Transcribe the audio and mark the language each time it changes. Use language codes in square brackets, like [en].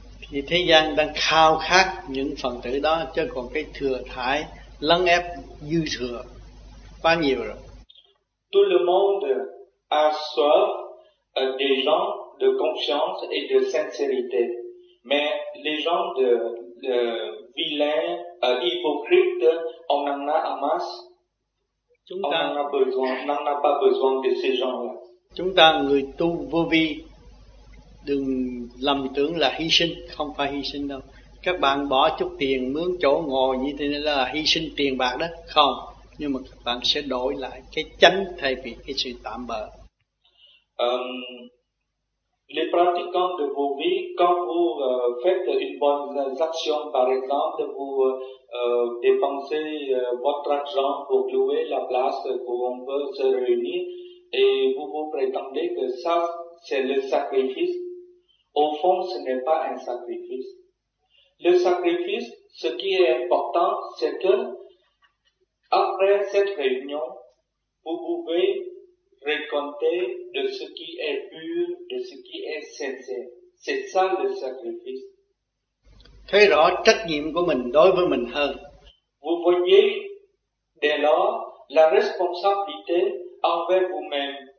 [vi] Thì thế gian đang khao khát những phần tử đó, chứ còn cái thừa thải lấn ép dư thừa quá nhiều rồi. [fr] Tout le monde a soif des gens de conscience et de sincérité, mais les gens de vilains, hypocrites, on en a en masse. [vi] Chúng ta, [fr] on en a besoin, on en a pas besoin de ces gens-là. [vi] Chúng ta người tu vô vi, đừng lầm tưởng là hy sinh, không phải hy sinh đâu. Các bạn bỏ chút tiền mướn chỗ ngồi như thế này là hy sinh tiền bạc đó, không. Nhưng mà các bạn sẽ đổi lại cái chánh thay vì cái sự tạm bợ. [fr] Les pratiquants de vos vies, quand vous faites une bonne action, par exemple, vous dépensez votre argent pour louer la place où on peut se réunir, et vous vous prétendez que ça, c'est le sacrifice. Au fond, ce n'est pas un sacrifice. Le sacrifice, ce qui est important, c'est que après cette réunion, vous pouvez récolter de ce qui est pur, de ce qui est sincère. C'est ça le sacrifice. [vi] Thấy rõ trách nhiệm của mình đối với mình hơn. [fr] Vous voyez dès lors la responsabilité envers vous-même.